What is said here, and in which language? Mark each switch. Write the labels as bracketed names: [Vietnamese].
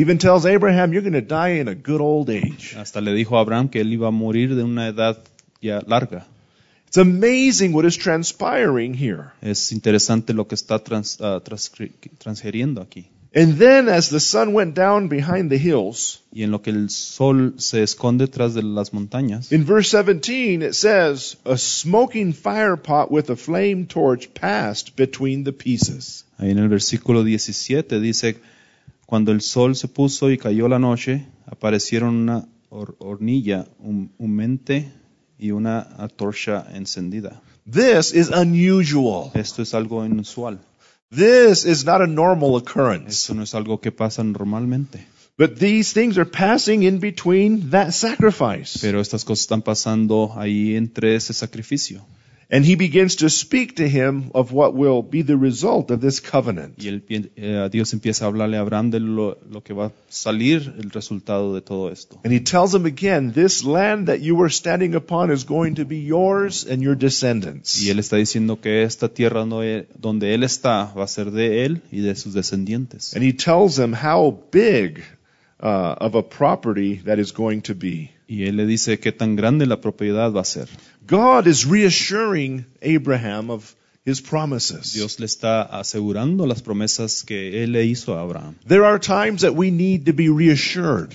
[English] He even tells Abraham, you're going to die in a good old age. [Spanish] Hasta le dijo a Abraham que él iba a morir de una edad ya larga. [English] It's amazing what is transpiring here. [Spanish] Es interesante lo que está transgiriendo aquí. [English] And then as the sun went down behind the hills, [Spanish] y en lo que el sol se esconde tras de las montañas, [English] in verse 17 it says, a smoking fire pot with a flame torch passed between the pieces. [Spanish] Ahí en el versículo 17 dice, cuando el sol se puso y cayó la noche, aparecieron una hornilla humente y una antorcha encendida. [English] This is unusual. [Spanish] Esto es algo inusual. [English] This is not a normal occurrence. [Spanish] Eso no es algo que pasa normalmente. [English] But these things are passing in between that sacrifice. [Spanish] Pero estas cosas están pasando ahí entre ese sacrificio. [English] And he begins to speak to him of what will be the result of this covenant. [Spanish] Y Dios empieza a hablarle a Abraham de lo que va a salir el resultado de todo esto. [English] And he tells him again, this land that you are standing upon is going to be yours and your descendants. [Spanish] Y él está diciendo que esta tierra donde él está va a ser de él y de sus descendientes. [English] And he tells him how big of a property that is going to be. [Spanish] Y él le dice qué tan grande la propiedad va a ser. [English] God is reassuring Abraham of his promises. [Spanish] Dios le está asegurando las promesas que él le hizo a Abraham. [English] There are times that we need to be reassured.